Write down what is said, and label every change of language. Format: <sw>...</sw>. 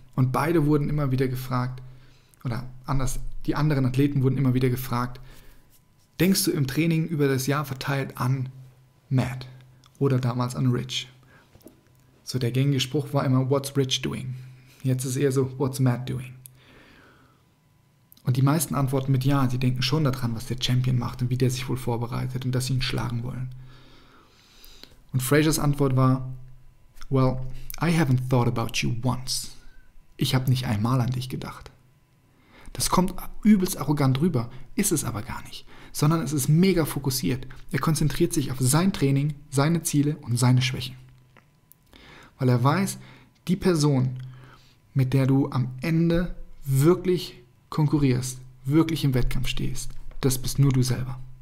<de>Und beide wurden immer wieder gefragt, oder anders, die anderen Athleten wurden immer wieder gefragt, denkst du im Training über das Jahr verteilt an Matt oder damals an Rich? So der gängige Spruch war immer,</de> <en>what's Rich doing?</en> <de>Jetzt ist eher so,</de> <en>what's Matt doing?</en> <de>Und die meisten antworten mit ja, sie denken schon daran, was der Champion macht und wie der sich wohl vorbereitet und dass sie ihn schlagen wollen. Und Frasers Antwort war,</de> <en>well, I haven't thought about you once.</en> <de>Ich habe nicht einmal an dich gedacht. Das kommt übelst arrogant rüber, ist es aber gar nicht, sondern es ist mega fokussiert. Er konzentriert sich auf sein Training, seine Ziele und seine Schwächen. Weil er weiß, die Person, mit der du am Ende wirklich konkurrierst, wirklich im Wettkampf stehst, das bist nur du selber.</de>